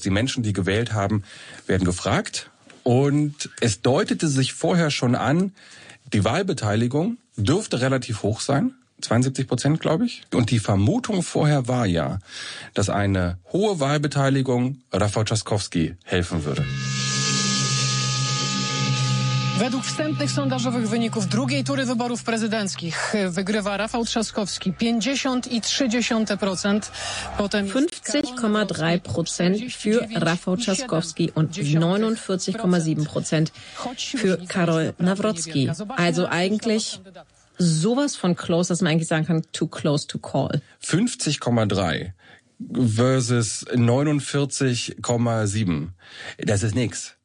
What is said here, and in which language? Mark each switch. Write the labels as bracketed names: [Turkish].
[German] Die Menschen, die gewählt haben, werden gefragt. Und es deutete sich vorher schon an, die Wahlbeteiligung dürfte relativ hoch sein. 72%, glaube ich. Und die Vermutung vorher war ja, dass eine hohe Wahlbeteiligung Rafał Trzaskowski helfen würde. [Polish] Według wstępnych sondażowych wyników drugiej tury wyborów prezydenckich wygrywa Rafał Trzaskowski 50,3%. [German] 50,3% für Rafał Trzaskowski und 49,7% für Karol Nawrocki. Also eigentlich sowas von close, dass man eigentlich sagen kann, [English] too close to call. [German] 50,3 versus 49,7. Das ist nix.